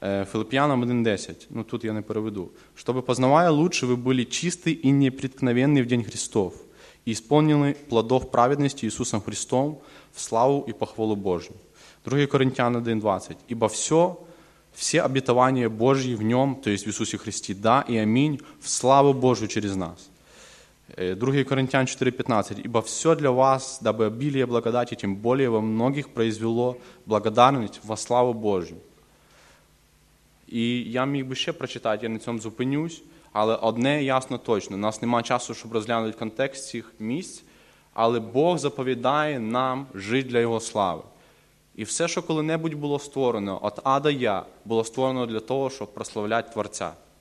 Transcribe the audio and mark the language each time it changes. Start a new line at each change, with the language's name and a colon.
Ukrainian: Филиппіянам 1:10. Ну, тут я не переведу. Щоб познавая лучше, ви були чисті і непреткновенні в день Христов, і сповнені плодов праведності Ісусом Христом в славу і похвалу Божу. 2 Коринтян 1:20. Ібо все обітування Божі в ньому, тобто в Ісусі Христі, да і амінь, в славу Божу через нас. 2 Коринтян 4:15.
Russian: Ібо все для вас, дабы обилие благодати, тим более во многих произвело благодарність во славу Божу.
Ukrainian: І я міг би ще прочитати, я на цьому зупинюсь, але одне ясно точно, у нас нема часу, щоб розглянути контекст цих місць, але Бог заповідає нам жити для Його слави. І все, що коли-небудь було створено, от А до Я, було створено для того, щоб прославляти Творця.